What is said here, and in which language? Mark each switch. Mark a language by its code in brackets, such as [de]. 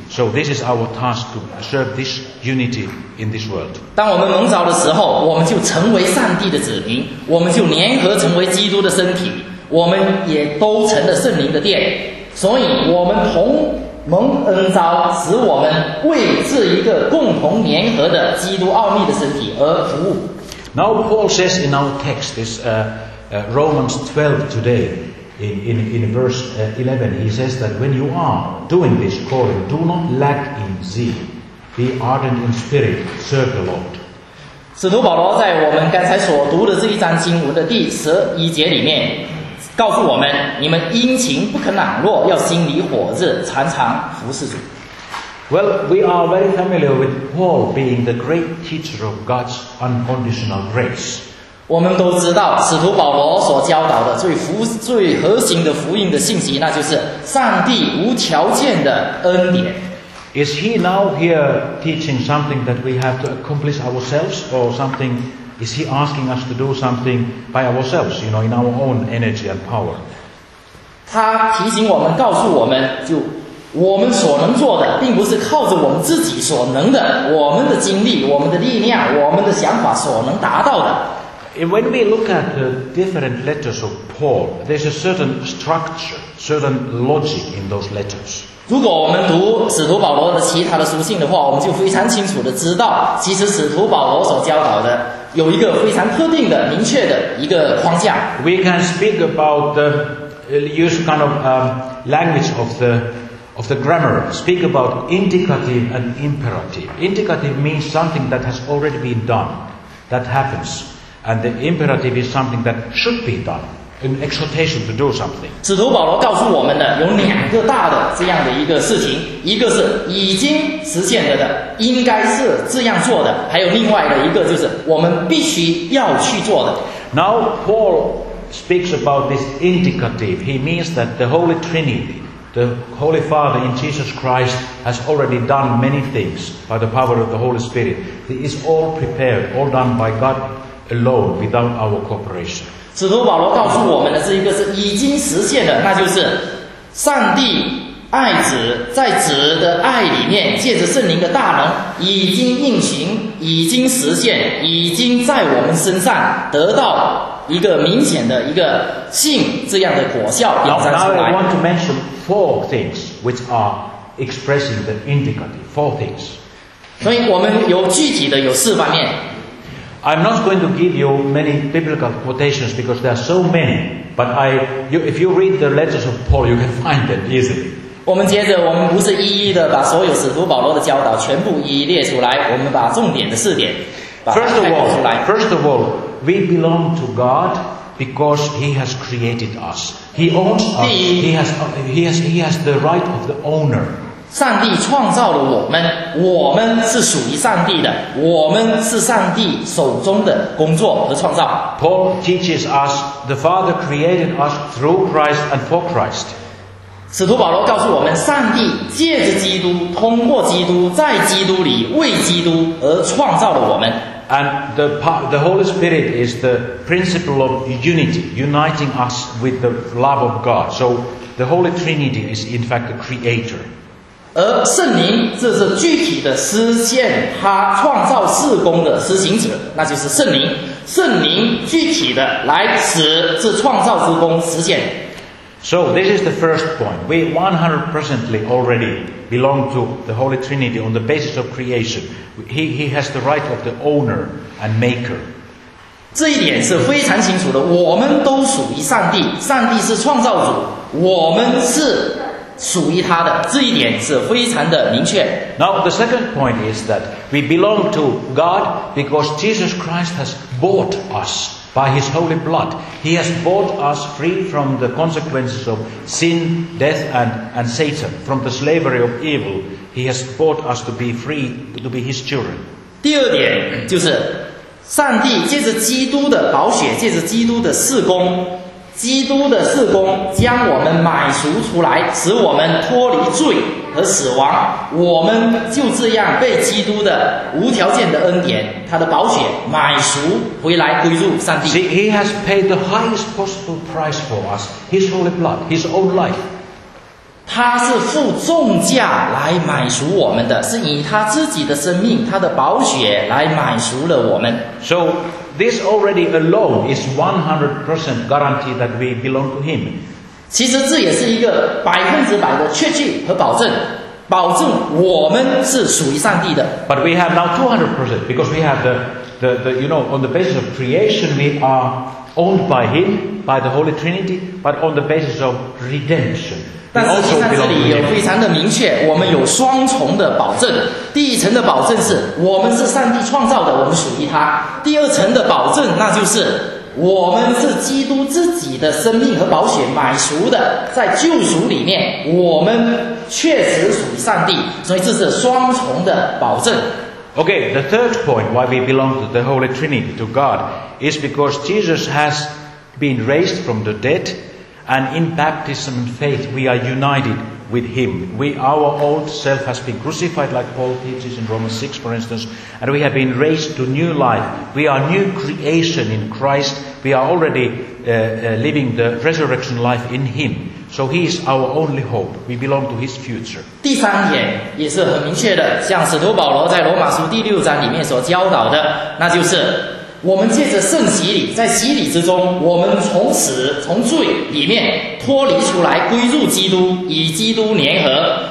[en] So this is our task to serve this unity in this world. [zh] 当我们蒙召的时候，我们就成为上帝的子民，我们就联合成为基督的身体，我们也都成了圣灵的殿。所以，我们同蒙恩召，使我们为这一个共同联合的基督奥秘的身体而服务。 [en] Now Paul says in our text, this Romans 12 today, in verse 11, he says that when you are doing this calling, do not lack in zeal, be ardent in spirit, serve the Lord. [zh] 使徒保罗在我们刚才所读的这一章经文的第十一节里面。告诉我们，你们殷勤不可懒惰，要心里火热，常常服侍主。 [en] Well, we are very familiar with Paul being the great teacher of God's unconditional grace. [zh] 我们都知道使徒保罗所教导的最核心的福音的信息，那就是上帝无条件的恩典。 [en] Is he now here teaching something that we have to accomplish ourselves, or something? Is he asking us to do something by ourselves, you know, in our own energy and power? [zh] 他提醒我们，告诉我们，就我们所能做的，并不是靠着我们自己所能的，我们的精力，我们的力量，我们的想法所能达到的。 [en] When we look at the different letters of Paul, there's a certain structure, certain logic in those letters. [zh] 如果我们读使徒保罗的其他的书信的话，我们就非常清楚的知道，其实使徒保罗所教导的有一个非常特定的、明确的一个框架。 [en] We can speak about the use kind of language of the grammar. Speak about indicative and imperative. Indicative means something that has already been done, that happens, and the imperative is something that should be done. An exhortation to do something. [zh] 使徒保罗告诉我们的有两个大的这样的一个事情，一个是已经实现了的，应该是这样做的，还有另外的一个就是我们必须要去做的。 [en] Now Paul speaks about this indicative. He means that the Holy Trinity, the Holy Father in Jesus Christ, has already done many things by the power of the Holy Spirit. It is all prepared, all done by God alone, without our cooperation. [zh] 使徒保罗告诉我们的这一个是已经实现的，那就是上帝爱子，在子的爱里面借着圣灵的大能已经运行，已经实现，已经在我们身上得到一个明显的一个信这样的果效表彰出来。 [en] Now I want to mention four things which are expressing the indicative, four things. [zh] 所以我们有具体的有四方面。 [en] I'm not going to give you many biblical quotations because there are so many, but if you read the letters of Paul, you can find them easily. [zh] 我们接着，我们不是一一的把所有使徒保罗的教导全部一一列出来，我们把重点的四点把它开放出来。 [en] First of all, we belong to God because He has created us. He owns us. He has the right of the owner. [zh] 上帝创造了我们，我们是属于上帝的，我们是上帝手中的工作和创造。 [en] Paul teaches us the Father created us through Christ and for Christ. [zh] 使徒保罗告诉我们，上帝借着基督，通过基督，在基督里为基督而创造了我们。 [en] And the Holy Spirit is the principle of unity, uniting us with the love of God. So the Holy Trinity is in fact the Creator. [zh] 而圣灵这是具体的实现他创造事工的施行者，那就是圣灵。圣灵具体的来使这创造之工实现。 [en] So this is the first point. We 100% already belong to the Holy Trinity on the basis of creation. He has the right of the owner and maker. [zh] 这一点是非常清楚的。我们都属于上帝，上帝是创造主，我们是。属于他的这一点是非常的明确。 [en] Now the second point is that we belong to God because Jesus Christ has bought us by His holy blood. He has bought us free from the consequences of sin, death, and Satan, from the slavery of evil. He has bought us to be free to be His children. [zh] 第二点就是，上帝借着基督的宝血，借着基督的事工。基督的事工将我们买赎出来，使我们脱离罪，和死亡，我们就这样被基督的无条件的恩典，他的宝血买赎回来，归入上帝。 [en] See, he has paid the highest possible price for us, his holy blood, his own life. [zh] 他是付重价来买赎我们的，是以他自己的生命，他的宝血来买赎了我们。 [en] So, this already alone is 100% guarantee that we belong to him. [zh] 其实这也是一个百分之百的确据和保证，保证我们是属于上帝的。 [en] But we have now 200% because we have the you know on the basis of creation we are owned by Him by the Holy Trinity, but on the basis of redemption. [zh] 但实际上这里有非常的明确，我们有双重的保证。第一层的保证是我们是上帝创造的，我们属于他。第二层的保证那就是。我们是基督自己的生命和宝血买赎的，在救赎里面，我们确实属于上帝，所以这是双重的保证。 [en] Okay, the third point why we belong to the Holy Trinity, to God, is because Jesus has been raised from the dead, and in baptism and faith we are united with Him. We, our old self has been crucified, like Paul teaches in Romans 6, for instance, and we have been raised to new life. We are new creation in Christ. We are already living the resurrection life in Him. So He is our only hope. We belong to His future. [zh] 第三点也是很明确的，像使徒保罗在罗马书第六章里面所教导的，那就是我们借着圣洗礼，在洗礼之中，我们从死、从罪里面脱离出来，归入基督，与基督联合。